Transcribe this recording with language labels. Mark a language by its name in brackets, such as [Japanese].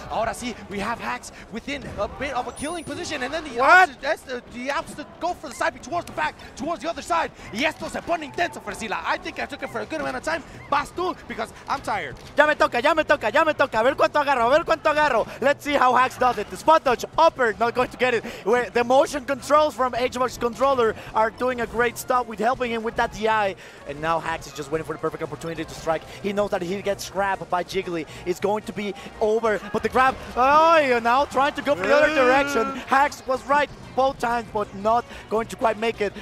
[Spanish] Ahora sí, [English] we have Hacks within a bit of a killing position, and then the opposite go for the side towards the back, towards the other side. [Spanish] Y esto se pone intenso, [English] Fresila. I think I took it for a good amount of time. [Spanish] Vas tú, [English] because I'm tired. [Spanish] Ya me toca, ya me toca, ya me toca. A ver cuánto agarro, a ver cuánto agarro. [English] Let's see how Hacks does it. The spot dodge, upper, not going to get it. Where the motion controls from HBox controller are doing a great stop with helping him with that DI. And now Hacks is just waiting for the perfect opportunity to strike. He knows that if he gets grabbed by Jiggly, it's going to be over. But the grab, now trying to go for the other direction. Hacks was right both times, but not going to quite make it.